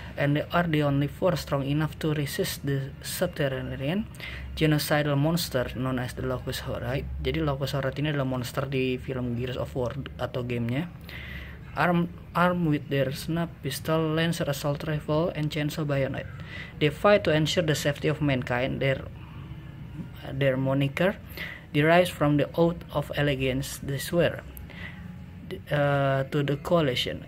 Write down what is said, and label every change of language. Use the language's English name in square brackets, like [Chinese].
[English] And they are the only force strong enough to resist the subterranean genocidal monster known as the Locust Horde. [Indonesian] Jadi Locust Horde ini adalah monster di film Gears of War atau gamenya. [English] Armed with their snap pistol, lancer assault rifle, and chainsaw bayonet, they fight to ensure the safety of mankind. Their moniker derives from the oath of allegiance they swear to the coalition.